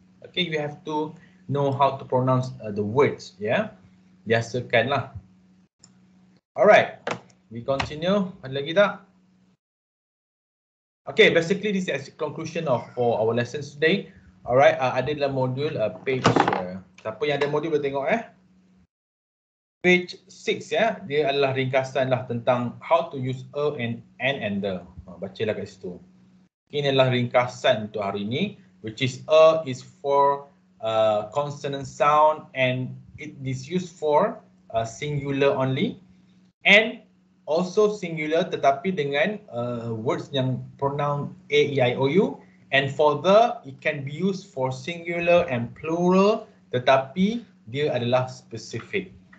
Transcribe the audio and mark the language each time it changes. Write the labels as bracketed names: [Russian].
[English] Okay, you have to know how to pronounce the words, ya. Yeah? [Malay] Biasakanlah. [English] Alright, we continue. [Malay] Ada lagi tak? [English] Okay, basically this is the conclusion of for our lesson today. [Malay] Alright, ada dalam modul page. Siapa yang ada modul boleh tengok eh. Page 6 ya. Yeah? Dia adalah ringkasan lah tentang [English] how to use a and the. [Malay] Bacalah kat situ. Okay, ini adalah ringkasan untuk hari ini. [English] Which is a is for consonant sound and it is used for singular only. And also singular [Malay] tetapi dengan [English] words [Malay] yang [English] pronoun A, E, I, O, U. And for the, it can be used for singular and plural [Malay] tetapi dia adalah [English] specific.